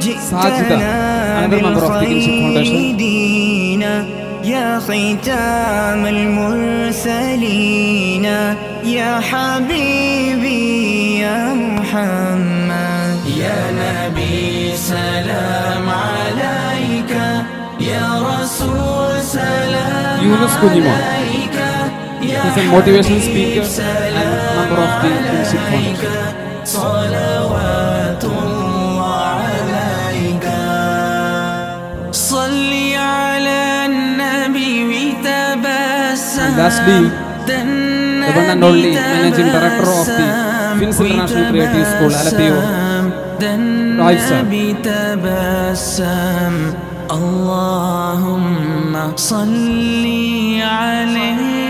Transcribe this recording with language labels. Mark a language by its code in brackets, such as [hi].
[en] ساجدة another member of the Kinship Foundation. [ar] يا ختام المرسلين يا حبيبي يا محمد يا نبي سلام عليك يا رسول سلام يونس كنيمان [en] is a motivational speaker and member of the Kinship Foundation. [ar] صلوات الله عليك. صلي على النبي وتبسم. [en] Lastly, the one and only managing director of the Finns International Creative School, Alapio. [ar] النبي تبسم اللهم صلي عليه